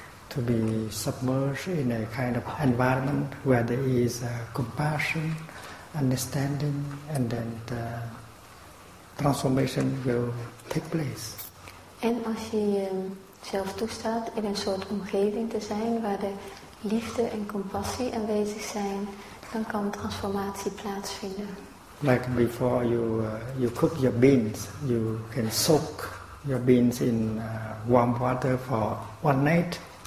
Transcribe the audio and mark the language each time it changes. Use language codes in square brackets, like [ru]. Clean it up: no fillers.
[en] to be submerged in a kind of environment where there is compassion, understanding, and then the transformation will take place. [nl] En als je zelf toestaat in een soort omgeving te zijn waar de liefde en compassie aanwezig zijn, dan kan transformatie plaatsvinden. [en] Like before you you cook your beans, you can soak your beans in warm water for one night.